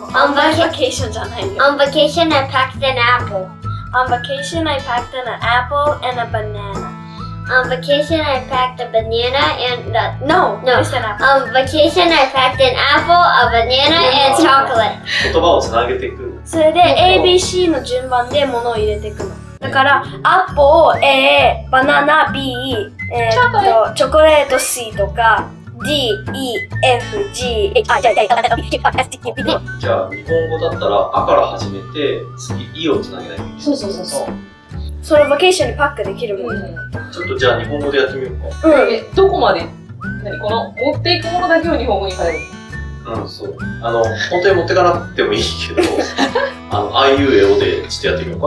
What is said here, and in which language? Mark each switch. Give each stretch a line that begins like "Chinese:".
English: On vacation
Japanese: じゃないよ。
English: On vacation, I packed an apple. On vacation, I packed an apple and a banana. On vacation, I packed a banana and a... No, no. It's an apple. On vacation, I packed an apple, a banana, and chocolate.
Japanese: 言葉をつなげていく。それで、ABC の順番で物を入れていくの。だから、アッポを A、バナナ B、チョコレート C とか、D, E, F, G, H, I, J, K, L, M, N, O, P, Q, R, S, T, Q, P, D. じゃあ日本語だったら、あから始めて、次 E をつなげないといけない。そうそうそうそう。それをバケーションにパックできるもんじゃない。ちょっとじゃあ日本語でやってみようか。うん。どこまで、この持っていくものだけを日本語に変える。そう。本当に持ってかなくてもいいけど、あいうえおでちょっとやってみようか。